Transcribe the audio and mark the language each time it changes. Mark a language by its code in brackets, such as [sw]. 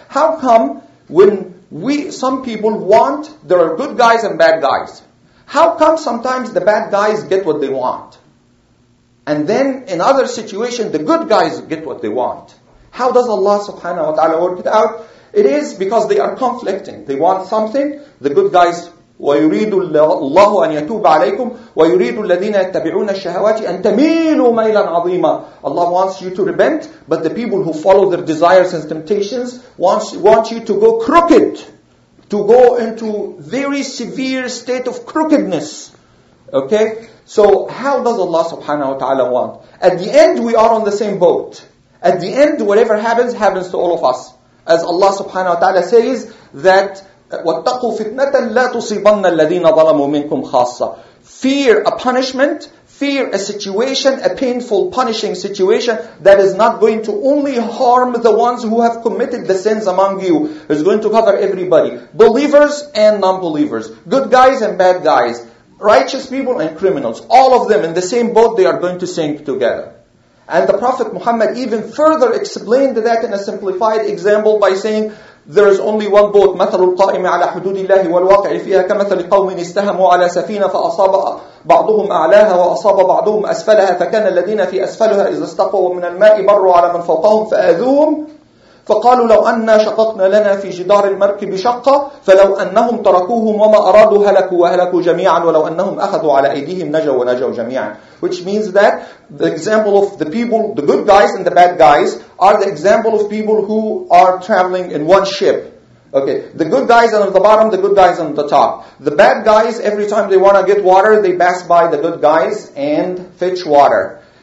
[en] How come when some people want, there are good guys and bad guys. How come sometimes the bad guys get what they want? And then in other situations, the good guys get what they want. How does Allah subhanahu wa ta'ala work it out? It is because they are conflicting. They want something. The good guys, [ar] وَيُرِيدُ اللَّهُ أَنْ يَتُوبَ عَلَيْكُمْ وَيُرِيدُ الَّذِينَ يَتَّبِعُونَ الشَّهَوَاتِ أَنْ تَمِيلُوا مَيْلًا عَظِيمًا. [en] Allah wants you to repent, but the people who follow their desires and temptations want you to go crooked, to go into very severe state of crookedness. Okay? So how does Allah subhanahu wa ta'ala want? At the end, we are on the same boat. At the end, whatever happens, happens to all of us. As Allah subhanahu wa ta'ala says that, [ar] وَاتَّقُوا فِتْنَةً لَا تُصِيبَنَّ الَّذِينَ ظَلَمُوا مِنْكُمْ خَاصَّةً. [en] Fear a punishment, fear a situation, a painful punishing situation that is not going to only harm the ones who have committed the sins among you. It's going to cover everybody. Believers and non-believers. Good guys and bad guys. Righteous people and criminals. All of them in the same boat, they are going to sink together. And the Prophet Muhammad even further explained that in a simplified example by saying, there is only one boat. [ar] مثل القائم على حدود الله والواقع فيها كمثل قوم استهموا على سفينة فأصاب بعضهم أعلاها وأصاب بعضهم أسفلها فكان الذين في أسفلها إذا استقوا من الماء بروا على من فوقهم فآذوهم فقالوا لو أنا شققنا لنا في جدار المركب شقة فلو أنهم تركوهم وما أرادوا هلكوا وهلكوا جميعا ولو أنهم أخذوا على أيديهم نجوا ونجوا جميعا. [en] Which means that the example of the people, the good guys and the bad guys, are the example of people who are traveling in one ship. Okay, the good guys are on the bottom, the good guys are on the top. The bad guys, every time they want to get water, they pass by the good guys and fetch water.